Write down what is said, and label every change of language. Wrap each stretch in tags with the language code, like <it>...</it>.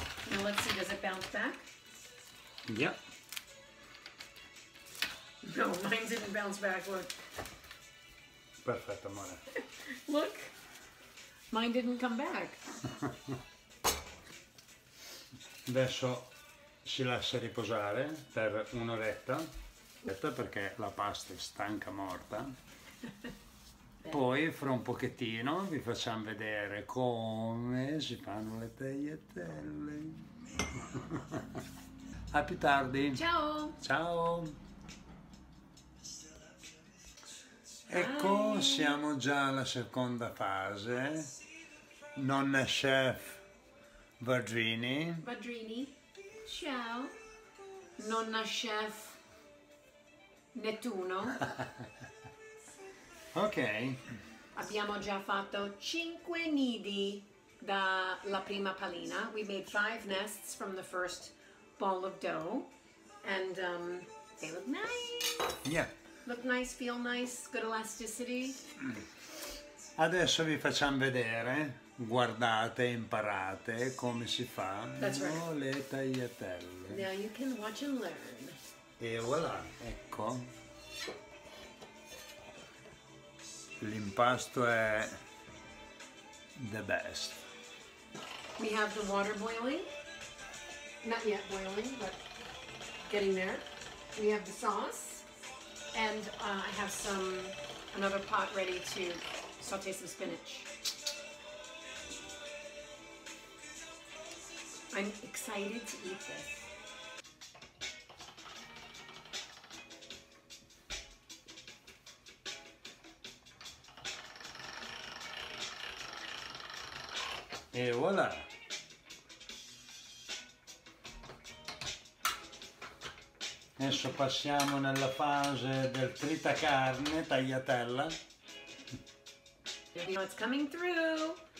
<en>Now let's see, does it bounce back? Yep. No, mine didn't bounce back, look.</en> <it>Perfetto, amore.</it> <en>Look, mine didn't come back.</en> <it>Adesso si lascia riposare per un'oretta, perché la pasta è stanca morta. Poi fra un pochettino vi facciamo vedere come si fanno le tagliatelle. A più tardi. Ciao. Ciao. Ecco,</it> <en>Hi.</en> <it>Siamo già alla seconda fase. Nonna chef Vadrini. Vadrini. Ciao. Nonna chef Nettuno. Ok. Abbiamo già fatto 5 nidi dalla prima pallina.</it> <en>We made 5 nests from the first ball of dough. And they look nice. Yeah. Look nice, feel nice, good elasticity.</en> <it>Adesso vi facciamo vedere, guardate, imparate come si fa le tagliatelle.</it> <en>Now you can watch and learn.</en> <it>E voilà, ecco. L'impasto è</it> <en>the best. We have the water boiling. Not yet boiling, but getting there. We have the sauce. And I have another pot ready to saute some spinach. I'm excited to eat this.</en> <it>E voilà! Adesso passiamo nella fase del tritacarne, tagliatella.</it> <en>You know it's coming through!</en>